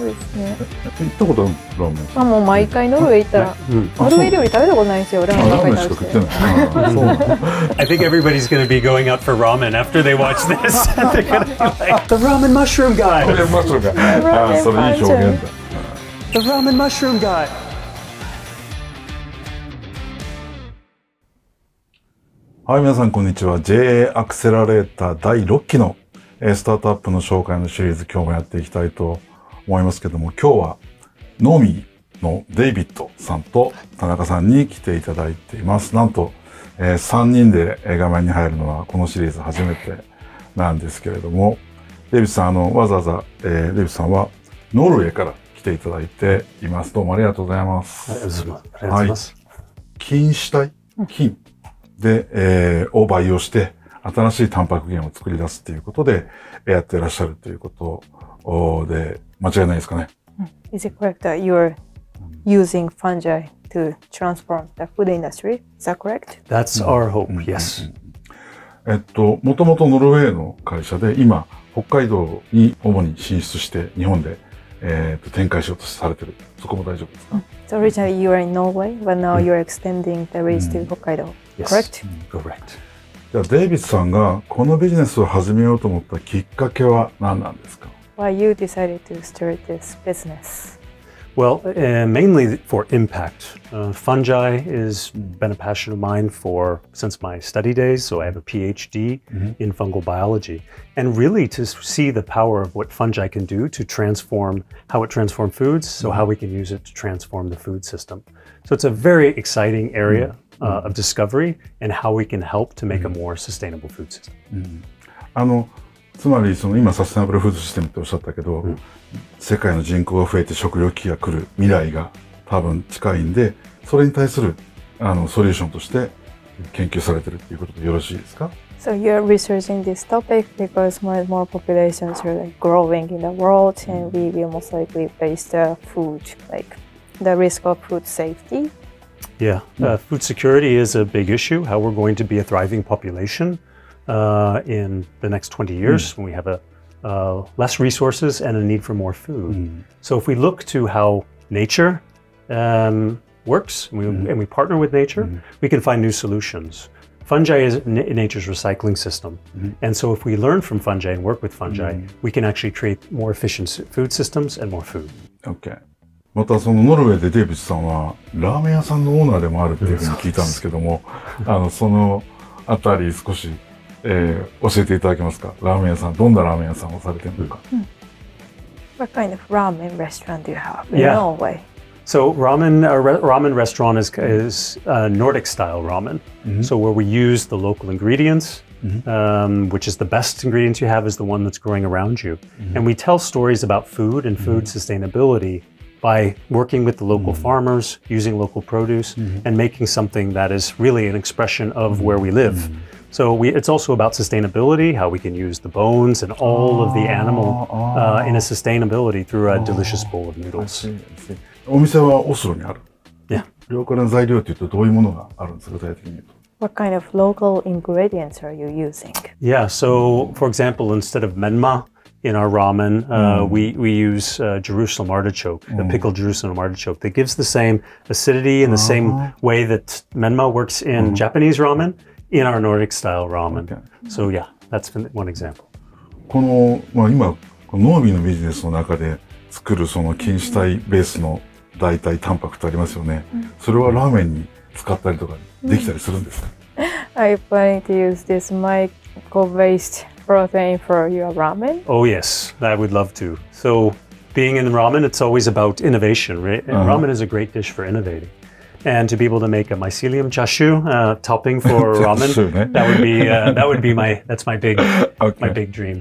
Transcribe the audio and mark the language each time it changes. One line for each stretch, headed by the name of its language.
Japanese: 行ったことあるラーメン。まあもう毎回ノルウェー行ったら、ノルウェー料理食べたことないんですよ。ラーメン。ラーメンしか食ってない。
English: I think everybody's going to be going up for ramen after they watch this. The ramen mushroom guy. The ramen mushroom guy. Ah, so
Japanese: いい表現だ。
English: The ramen mushroom guy.
Japanese: はい、皆さんこんにちは。JAアクセラレーター第6期のスタートアップの紹介のシリーズ、今日もやっていきたいと思いますけども、今日はNoMyのデイビッドさんと田中さんに来ていただいています。なんと、3人で画面に入るのはこのシリーズ初めてなんですけれども、デイビッドさん、わざわざ、デイビッドさんはノルウェーから来ていただいています。どうもありがとうございます。ありがとうございます。菌糸体、菌で、を培養して新しいタンパク源を作り出すということでやってらっしゃるということで間違いないですかね。
English: Is it correct that you are using fungi to transform the food industry? Is that correct? That's our hope, yes.
Japanese: もともとノルウェーの会社で、今北海道に主に進出して日本で、展開しようとされてる、そこも大丈夫ですか。
English: So originally you were in Norway, but now you're extending the reach to Hokkaido. Correct? Yes, correct.
Japanese: じゃあデイビッドさんがこのビジネスを始めようと思ったきっかけは何なんですか。
English: Why you decided to start this business? Well, mainly for impact. Fungi has been a passion of mine for since my study days. So I have a PhD in fungal biology. And really to see the power of what fungi can do to transform, how it transforms foods, so how we can use it to transform the food system. So it's a very exciting area of discovery and how we can help to make a more sustainable food system.
Japanese: つまりその今サステナブルフードシステムっておっしゃったけど、世界の人口が増えて食料危機が来る未来が多分近いんで、それに対するソリューションとして研究されてるっていうことでよろしいですか。
English: So you're researching this topic because more and more populations are like growing in the world and we will most likely face the food, like the risk of food safety. Yeah, food security is a big issue. How we're going to be a thriving populationin the next 20 years when we have less resources and a need for more food. So if we look to how nature works and we partner with nature, we can find new solutions. Fungi is nature's recycling system. And so if we learn from fungi and work with fungi, we can actually create more efficient food systems and more food. Okay.
Japanese: またそのノルウェーでデイビッドさんはラーメン屋さんのオーナーでもあるっていうふうに聞いたんですけども、そのあたり少し教えていただけますか。ラーメン屋さん、どんなラーメン屋さんをされているのか。
English: What kind of ramen restaurant do you have in Norway? So ramen restaurant is Nordic style ramen. So where we use the local ingredients, which is the best ingredients you have is the one that's growing around you. And we tell stories about food and food sustainability by working with the local farmers, using local produce, and making something that is really an expression of where we live. So it's also about sustainability, how we can use the bones and all of the animal in a sustainability through a delicious bowl of noodles.
Japanese: お店はオスロにある。
English: Yeah.
Japanese: 料理の材料というとどういうものがあるんですか、具体的に言うと。
English: What kind of local ingredients are you using? Yeah, so for example, instead of menma in our ramen, we use Jerusalem artichoke, the pickled Jerusalem artichoke that gives the same acidity in the same way that menma works in Japanese ramen. In our Nordic style ramen. So yeah, that's one example.
Japanese: この、まあ、今このノーミーのビジネスの中で作るその菌糸体ベースの代替タンパクってありますよね。それはラーメンに使ったりとかできたりするんですか。
English: I plan to use this mycobased protein for your ramen. Oh yes, I would love to. So being in ramen, it's always about innovation, right? And ramen is a great dish for innovating. And to be able to make a mycelium chashu topping for ramen, that's my big dream.